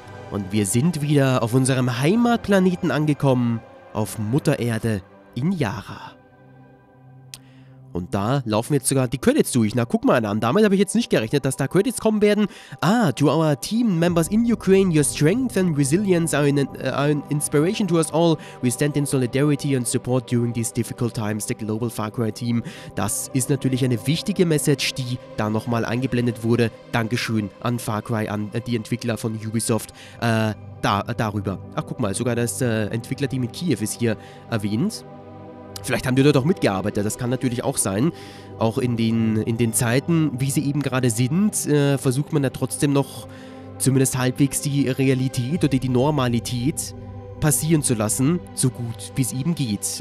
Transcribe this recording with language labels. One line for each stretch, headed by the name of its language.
German: Und wir sind wieder auf unserem Heimatplaneten angekommen, auf Mutter Erde in Yara. Und da laufen jetzt sogar die Credits durch. Na, guck mal an. Damit habe ich jetzt nicht gerechnet, dass da Credits kommen werden.
English: Ah, to our team members in Ukraine, your strength and resilience are an inspiration to us all. We stand in solidarity and support during these difficult times, the Global Far Cry Team.
German: Das ist natürlich eine wichtige Message, die da nochmal eingeblendet wurde. Dankeschön an Far Cry, an die Entwickler von Ubisoft. Darüber. Ach, guck mal, sogar das Entwicklerteam in Kiew ist hier erwähnt. Vielleicht haben die dort auch mitgearbeitet, das kann natürlich auch sein. Auch in den Zeiten, wie sie eben gerade sind, versucht man ja trotzdem noch zumindest halbwegs die Realität oder die Normalität passieren zu lassen, so gut wie es eben geht.